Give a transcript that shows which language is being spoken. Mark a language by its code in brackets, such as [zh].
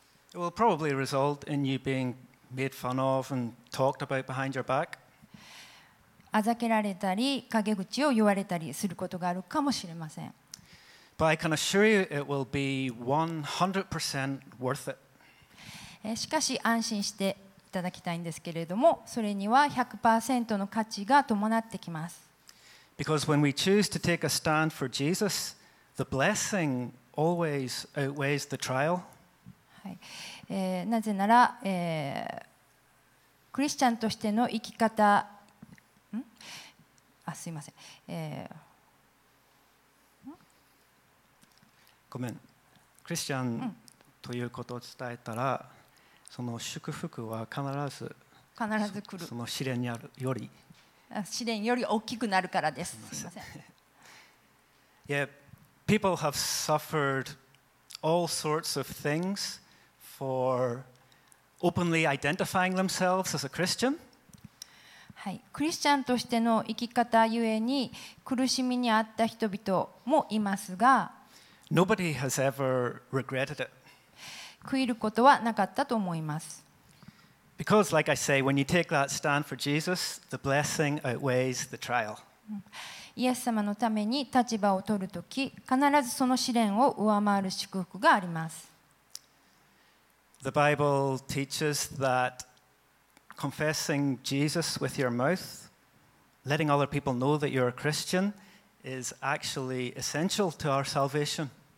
[en] It will probably result in you being made fun of and talked about behind your back. [ja] あざけられたり、陰口を言われたりすることがあるかもしれません。 [en] But I can assure you it will be 100% worth it. [ja] しかし安心していただきたいんですけれども、それには 100% の価値が伴ってきます。 [en] Because when we choose to take a stand for Jesus, the blessing always outweighs the trial. [ja] はい。なぜなら、クリスチャンとしての生き方、すいません。ごめん。クリスチャンということを伝えたら、その祝福は必ず来る。その試練にあるより。試練より大きくなるからです。すいません。 [en] Yeah, people have suffered all sorts of things for openly identifying themselves as a Christian. [ja] はい、クリスチャンとしての生き方ゆえに苦しみにあった人々もいますが、 [en] Nobody has ever regretted it. [ja] 悔いることはなかったと思います。 [en] Because, like I say, when you take that stand for Jesus, the blessing outweighs the trial. [ja] イエス様のために立場を取るとき、必ずその試練を上回る祝福があります。 [en] The Bible teaches that confessing Jesus with your mouth, letting other people know that you're a Christian, is actually essential to our salvation.